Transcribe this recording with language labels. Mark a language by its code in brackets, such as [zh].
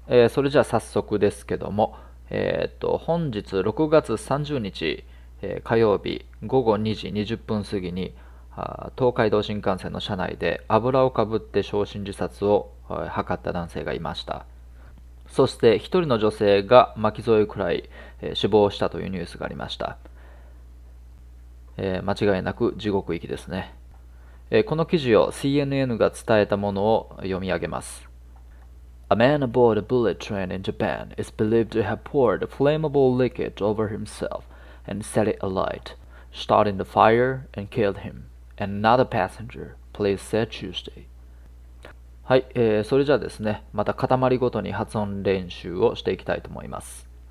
[ja] それじゃあ早速ですけども、本日6月30日、火曜日午後2時20分過ぎに、東海道新幹線の車内で油をかぶって焼身自殺を図った男性がいました。そして一人の女性が巻き添えくらい、死亡したというニュースがありました。間違いなく地獄行きですね。この記事を CNN が伝えたものを読み上げます。 [en] A man aboard a bullet train in Japan is believed to have poured flammable liquid over himself and set it alight, starting the fire and killed him and another passenger, police said Tuesday. [ja] はい、それじゃあですね、また塊ごとに発音練習をしていきたいと思います。